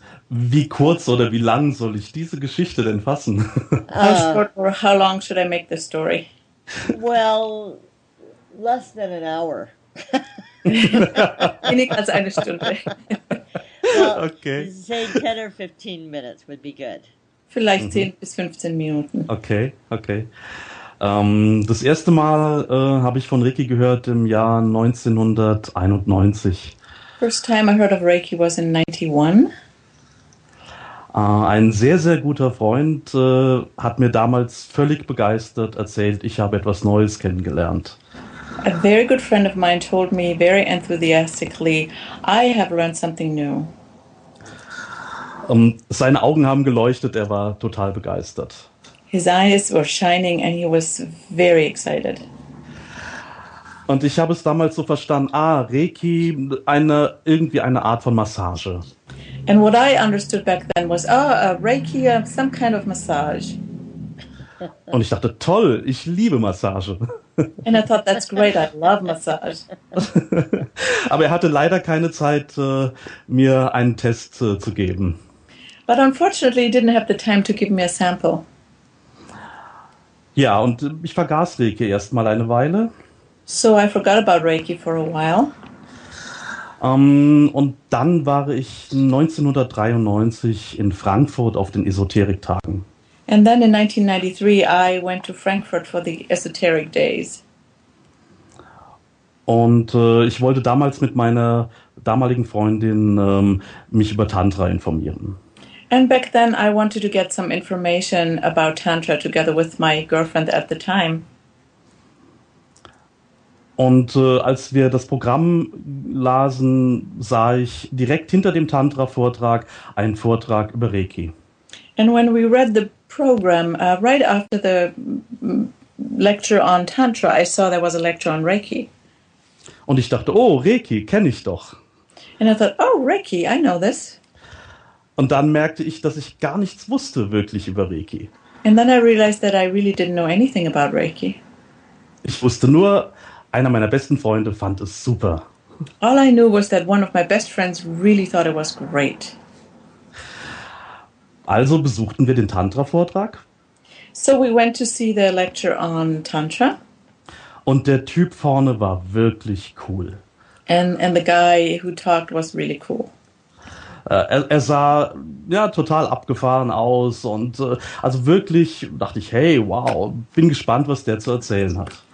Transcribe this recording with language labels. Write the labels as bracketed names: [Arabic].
[German] Wie kurz oder wie lang soll ich diese Geschichte denn fassen? [English] How short or how long should I make the story? Well, less than an hour. [German] Weniger als eine Stunde. [English] Well, okay. Say 10 or 15 minutes would be good. [German] Vielleicht 10 bis 15 Minuten. [English] Okay, okay. [German] Das erste Mal habe ich von Ricky gehört im Jahr 1991. [English] First time I heard of Ricky was in 91. [German] Ein sehr, sehr guter Freund hat mir damals völlig begeistert erzählt, ich habe etwas Neues kennengelernt. [English] A very good friend of mine told me very enthusiastically, I have learned something new. [German] Seine Augen haben geleuchtet, er war total begeistert. [English] His eyes were shining and he was very excited. [German] Und ich habe es damals so verstanden, Reiki, irgendwie eine Art von Massage. [English] And what I understood back then was, Reiki, some kind of massage. [German] Und ich dachte, toll, ich liebe Massage. [English] And I thought, that's great, I love massage. [German] Aber er hatte leider keine Zeit, mir einen Test zu geben. [English] But unfortunately, he didn't have the time to give me a sample. [German] Ja, und ich vergaß Reiki erst mal eine Weile. [English] So I forgot about Reiki for a while. [German] Und dann war ich 1993 in Frankfurt auf den Esoterik-Tagen. [English] And then in 1993 I went to Frankfurt for the Esoteric Days. [German] Und ich wollte damals mit meiner damaligen Freundin mich über Tantra informieren. [English] And back then I wanted to get some information about Tantra together with my girlfriend at the time. [German] Und als wir das Programm lasen, sah ich direkt hinter dem Tantra-Vortrag einen Vortrag über Reiki. [English] And when we read the program, right after the lecture on Tantra, I saw there was a lecture on Reiki. [German] Und ich dachte, Reiki, kenne ich doch. [English] And I thought, Reiki, I know this. [German] Und dann merkte ich, dass ich gar nichts wusste wirklich über Reiki. [English] And then I realized that I really didn't know anything about Reiki. [German] Ich wusste nur, einer meiner besten Freunde fand es super. [English] All I knew was that one of my best friends really thought it was great. [German] Also besuchten wir den Tantra-Vortrag. [English] So we went to see the lecture on Tantra. [German] Und der Typ vorne war wirklich cool. [English] And the guy who talked was really cool. [German] Er sah ja total abgefahren aus und also wirklich dachte ich, hey, wow, bin gespannt, was der zu erzählen hat.